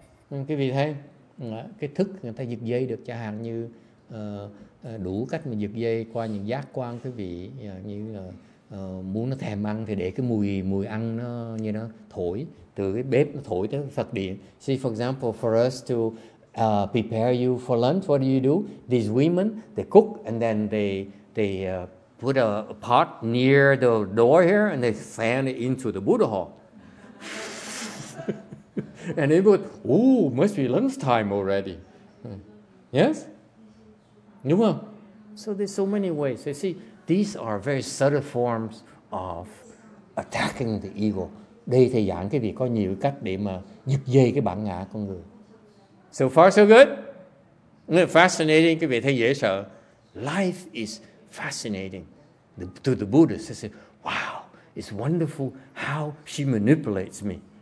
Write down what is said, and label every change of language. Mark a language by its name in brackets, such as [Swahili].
[Vietnamese] Quý vị thấy, cái thức người ta giật dây được, chẳng hạn như đủ cách mà giật dây qua những giác quan, quý vị như là muốn nó thèm ăn thì để cái mùi ăn nó như nó thổi từ cái bếp nó thổi tới Phật điện. [English] See, for example, for us to prepare you for lunch, what do? These women, they cook and then they put a pot near the door here and they fan it into the Buddha hall. And it would, ooh, must be lunchtime already. Yes? [Vietnamese] Đúng không? [English] So there's so many ways. You see, these are very subtle forms of attacking the ego. [Vietnamese] Đây thầy giảng cái việc có nhiều cách để mà giật dây cái bản ngã con người. [English] So far, so good? [Vietnamese] Fascinating, cái việc thấy dễ sợ. [English] Life is fascinating. To the Buddhist, they say, wow, it's wonderful how she manipulates me.